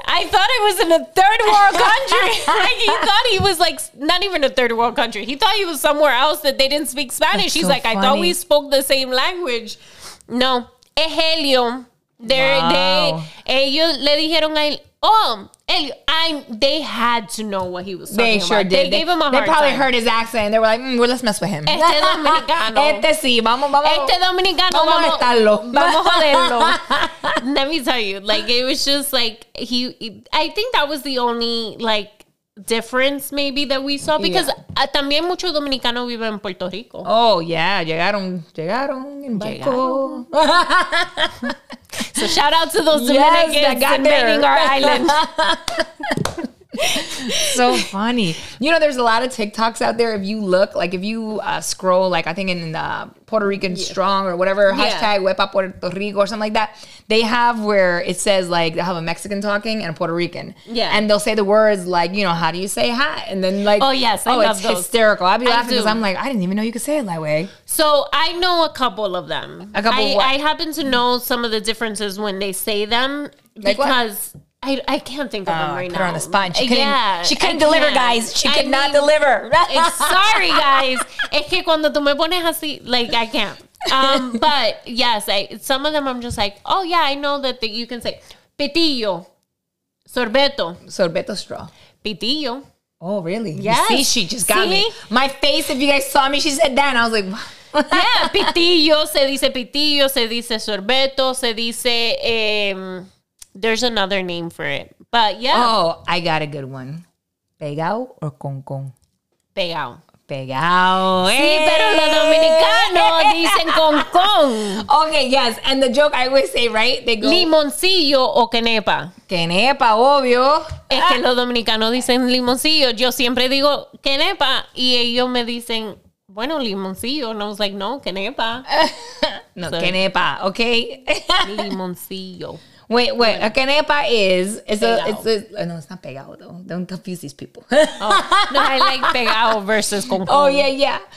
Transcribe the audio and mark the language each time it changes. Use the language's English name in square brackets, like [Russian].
[English] I thought I was in a third world country. Like, he thought he was like, not even a third world country. He thought he was somewhere else that they didn't speak Spanish. That's, he's so like, funny. I thought we spoke the same language. [Spanish] No, es helio. Ellos le dijeron a él, oh, helio. [English] They had to know what he was talking about. They sure did. They gave him a hard time. They probably time. Heard his accent. They were like, let's mess with him. [Spanish] Este dominicano. Este sí. Vamos. Este dominicano. Vamos a meterlo. Vamos a joderlo. [English] Let me tell you. Like, it was just like, I think that was the only, like, difference maybe that we saw. Because yeah. [Spanish] También muchos dominicanos viven en Puerto Rico. [English] Oh, yeah. [Spanish] Llegaron en barco. [English] So shout out to those Dominicans, yes, that got invading there. Our island. So funny. You know, there's a lot of TikToks out there. If you look, like if you scroll, like I think in the Puerto Rican Strong or whatever, hashtag Wepa Puerto Rico or something like that, they have where it says like they have a Mexican talking and a Puerto Rican. Yeah. And they'll say the words like, you know, how do you say hi? And then like, oh, yes. Oh, I love those. Hysterical. I'd be laughing because I'm like, I didn't even know you could say it that way. So I know a couple of them. A couple of what? I happen to know some of the differences when they say them. Like because what? I can't think of them right now. Put her on the spot. She couldn't deliver, guys. She could not deliver. Sorry, guys. [Spanish] Es que cuando tú me pones así, [English] like, I can't. But, yes, some of them I'm just like, oh, yeah, I know that you can say pitillo, sorbeto. Sorbeto straw. Pitillo. Oh, really? Yes. You see, she just got me. My face, if you guys saw me, she said that, and I was like, what? [Spanish] Yeah, pitillo, se dice sorbeto, se dice... [English] there's another name for it. But yeah. Oh, I got a good one. Pegao or con con? Pegao. Pegao. [Spanish] Sí, pero los dominicanos dicen con con. [English] Okay, yes. And the joke I always say, right? They go. [Spanish] Limoncillo o quenepa. Quenepa, obvio. Es que los dominicanos dicen limoncillo. Yo siempre digo quenepa. Y ellos me dicen, bueno, limoncillo. [English] And I was like, no, quenepa. No, so, quenepa, okay? Limoncillo. Wait, a quenepa is, no, it's not pegado though. Don't confuse these people. No, I like pegado versus con con. Oh, yeah.